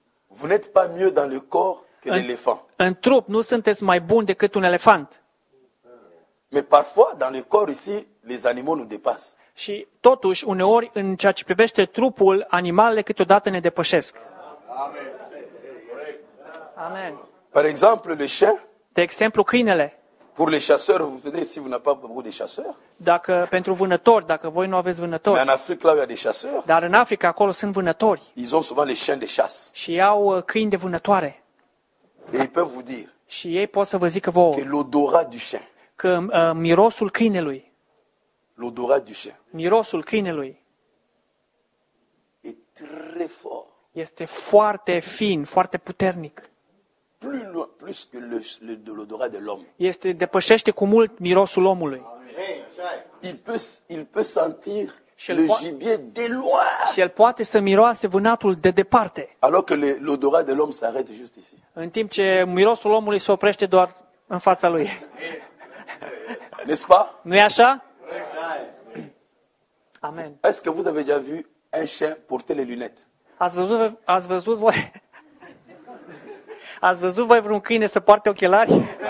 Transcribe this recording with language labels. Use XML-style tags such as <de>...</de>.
<fr>Vous n'êtes pas mieux dans le corps que l'éléphant.</fr> <ro>În trup nu sunteți mai buni decât un elefant.</ro> <fr>Mais parfois dans le corps ici les animaux nous dépassent.</fr> <ro>Și totuși uneori în ceea ce privește trupul animalele câteodată ne depășesc. Amen.</ro> <fr>Par exemple le chien.</fr> <ro>De exemplu, câinele.</ro> <fr>Pour les chasseurs, vous savez si vous n'avez pas beaucoup de chasseurs?</fr> <ro>Dacă pentru vânători, dacă voi nu aveți vânători.</ro> <fr>Mais en Afrique, là, il y a des chasseurs.</fr> <ro>Dar în Africa acolo sunt vânători.</ro> <fr>Ils ont souvent les chiens de chasse.</fr> <ro>Și au câini de vânătoare.</ro> <fr>Et ils peuvent vous dire.</fr> <ro>Și ei pot să vă zică vouă.</ro> <fr>Que l'odorat du chien.</fr> <ro>Că mirosul câinelui.</ro> <fr>L'odorat du chien.</fr> <ro>Mirosul câinelui.</ro> <fr>Est très fort.</fr> <ro>Este foarte fin, foarte puternic.</ro> <fr>Plus que de l'odorat de l'homme.</fr> <ro>Este depășește cu mult mirosul omului.</ro> <fr>Il peut sentir le gibier de loin.</fr> <ro>Și el poate să miroase vânatul de departe.</ro> <fr>Alors que l'odorat de l'homme s'arrête juste ici.</fr> <ro>În timp ce mirosul omului se oprește doar în fața lui.</ro> <fr>N'est-ce pas?</fr> <ro>Nu e așa? Amen.</ro> <fr>Est-ce que vous avez déjà vu un chien porter les lunettes?</fr> <ro>Ați văzut voi? Ați văzut voi vreun câine să poarte ochelari?</ro>